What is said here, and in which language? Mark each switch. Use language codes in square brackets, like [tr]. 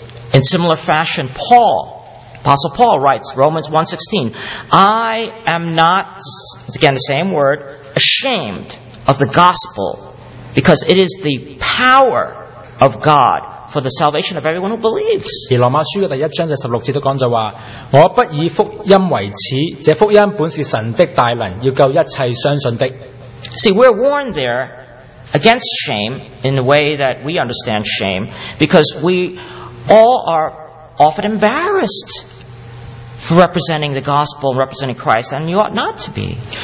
[en] in similar fashion, Paul, Apostle Paul writes, Romans 1:16, I am not, again the same word, ashamed of the gospel, because it is the power of God for the salvation of everyone who believes. [yue] 而罗马书的第一章第16节都讲就话，我不以福音为耻，这福音本是神的大能，要救一切相信的。 [en] See, we're warned there against shame in the way that we understand shame, because we all are often embarrassed for representing the gospel and representing Christ, and you ought not to be.